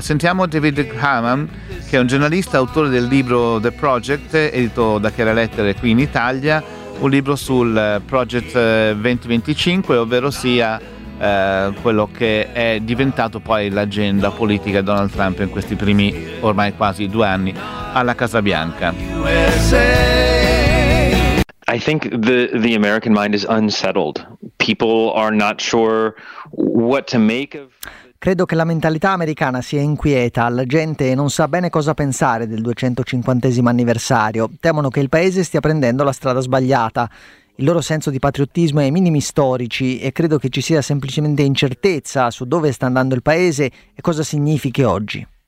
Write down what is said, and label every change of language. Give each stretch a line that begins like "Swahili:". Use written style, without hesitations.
Italian: Sentiamo David Hamann, che è un giornalista, autore del libro The Project, edito da Chiare Lettere qui in Italia, un libro sul Project 2025, ovvero sia quello che è diventato poi l'agenda politica di Donald Trump in questi primi ormai quasi 2 anni alla Casa Bianca.
English: I think the American mind is unsettled. People are not sure what to make of...
Italian: Credo che la mentalità americana sia inquieta, la gente non sa bene cosa pensare del 250° anniversario, temono che il paese stia prendendo la strada sbagliata. Il loro senso di patriottismo è ai minimi storici e credo che ci sia semplicemente incertezza su dove sta andando il paese e cosa significhi oggi.